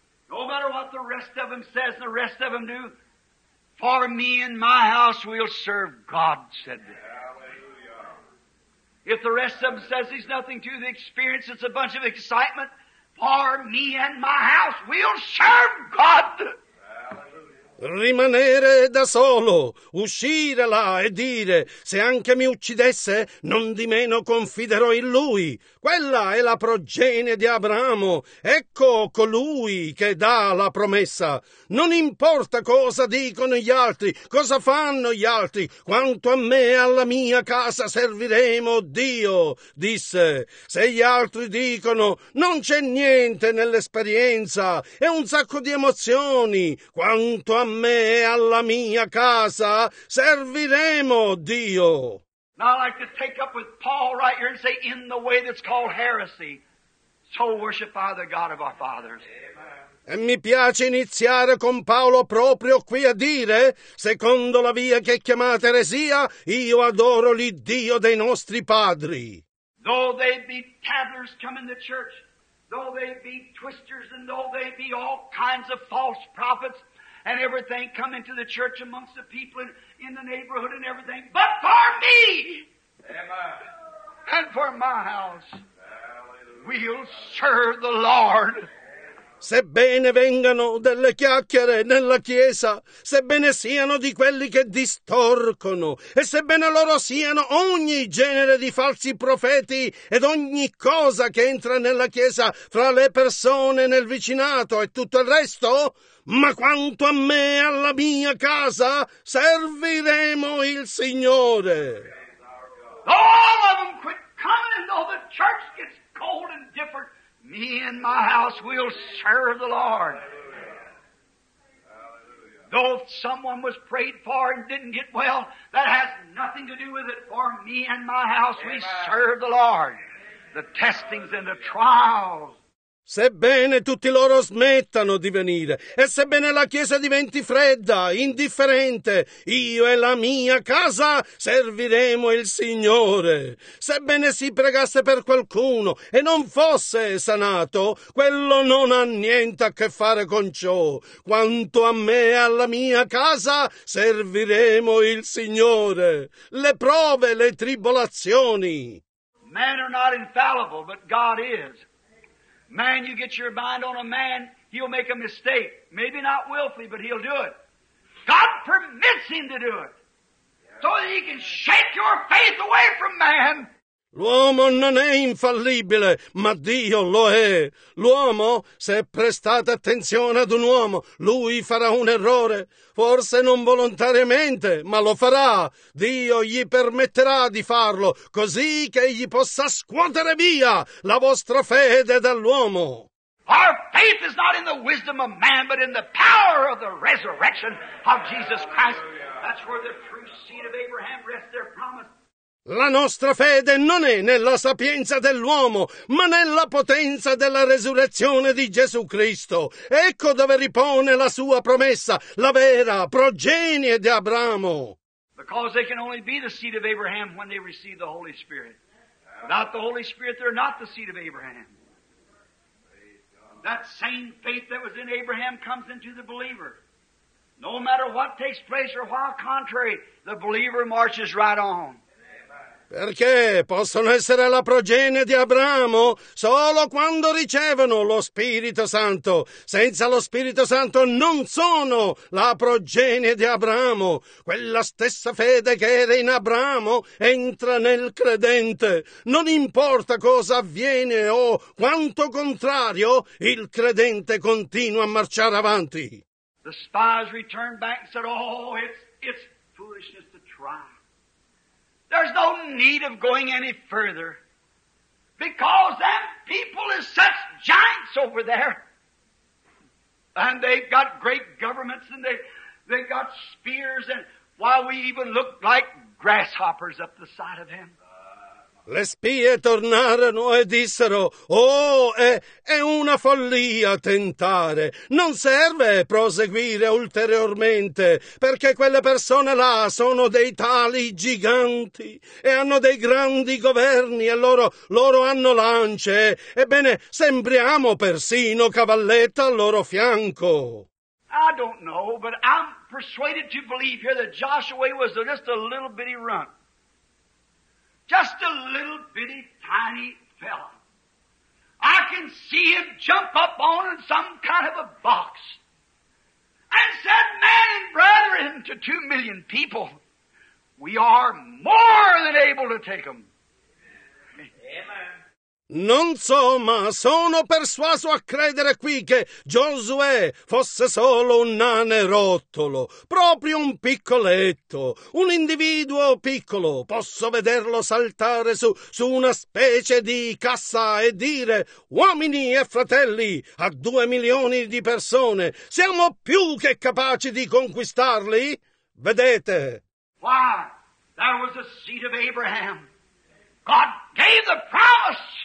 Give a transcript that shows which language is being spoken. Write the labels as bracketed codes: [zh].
[en] No matter what the rest of them says, the rest of them do, for me and my house we'll serve God, said they. Hallelujah. If the rest of them says he's nothing to the experience, it's a bunch of excitement, for me and my house we'll serve God. [it] Rimanere da solo, uscire là e dire, se anche mi uccidesse, non di meno confiderò in lui. Quella è la progenie di Abramo. Ecco colui che dà la promessa. Non importa cosa dicono gli altri, cosa fanno gli altri, quanto a me e alla mia casa serviremo Dio, disse. Se gli altri dicono, non c'è niente nell'esperienza, è un sacco di emozioni, quanto a me e alla mia casa serviremo Dio. [en] Now I'd like to take up with Paul right here and say, in the way that's called heresy, so worship I the God of our fathers. Amen. [it] E mi piace iniziare con Paolo proprio qui a dire, secondo la via che è chiamata eresia, io adoro l'Iddio dei nostri padri. [en] Though they be tattlers come in the church, though they be twisters, and though they be all kinds of false prophets, and everything come into the church amongst the people in the neighborhood and everything, but for me, amen, and for my house, hallelujah, we'll serve the Lord. [it] Sebbene vengano delle chiacchiere nella chiesa, sebbene siano di quelli che distorcono, e sebbene loro siano ogni genere di falsi profeti ed ogni cosa che entra nella chiesa fra le persone nel vicinato e tutto il resto, ma quanto a me e alla mia casa serviremo il Signore. [en] All of them quit coming, though the church gets cold and different. Me and my house will serve the Lord. Hallelujah. Though someone was prayed for and didn't get well, that has nothing to do with it. For me and my house, amen, we serve the Lord. The testings and the trials. [it] Sebbene tutti loro smettano di venire, e sebbene la chiesa diventi fredda, indifferente, io e la mia casa serviremo il Signore. Sebbene si pregasse per qualcuno e non fosse sanato, quello non ha niente a che fare con ciò. Quanto a me e alla mia casa serviremo il Signore. Le prove, le tribolazioni. [en] Men are not infallible, but God is. Man, you get your mind on a man, he'll make a mistake. Maybe not willfully, but he'll do it. God permits him to do it. So that he can shake your faith away from man. [it] L'uomo non è infallibile, ma Dio lo è. L'uomo, se prestate attenzione ad un uomo, lui farà un errore. Forse non volontariamente, ma lo farà. Dio gli permetterà di farlo, così che gli possa scuotere via la vostra fede dall'uomo. [en] Our faith is not in the wisdom of man, but in the power of the resurrection of Jesus Christ. That's where the true seed of Abraham rests their promise. [it] La nostra fede non è nella sapienza dell'uomo, ma nella potenza della resurrezione di Gesù Cristo. Ecco dove ripone la sua promessa, la vera progenie di Abramo. [en] Because they can only be the seed of Abraham when they receive the Holy Spirit. Without the Holy Spirit, they're not the seed of Abraham. That same faith that was in Abraham comes into the believer. No matter what takes place or while contrary, the believer marches right on. [it] Perché possono essere la progenie di Abramo solo quando ricevono lo Spirito Santo. Senza lo Spirito Santo non sono la progenie di Abramo. Quella stessa fede che era in Abramo entra nel credente. Non importa cosa avviene o quanto contrario, il credente continua a marciare avanti. [en] The spies returned back and said, oh, it's foolishness to try. There's no need of going any further, because that people is such giants over there, and they've got great governments, and they've got spears, and why, we even look like grasshoppers up the side of him. [it] Le spie tornarono e dissero, oh, è una follia tentare. Non serve proseguire ulteriormente, perché quelle persone là sono dei tali giganti e hanno dei grandi governi e loro hanno lance. Ebbene, sembriamo persino cavalletta al loro fianco. [en] I don't know, but I'm persuaded to believe here that Joshua was just a little bitty runt. Just a little bitty tiny fella. I can see him jump up on some kind of a box and said, man and brethren, to 2 million people, we are more than able to take them. Amen. [it] Non so, ma sono persuaso a credere qui che Giosuè fosse solo un nane rotolo, proprio un piccoletto, un individuo piccolo. Posso vederlo saltare su una specie di cassa e dire, uomini e fratelli, a 2 milioni di persone, siamo più che capaci di conquistarli? Vedete? [en] Why, that was the seed of Abraham. God gave the promise.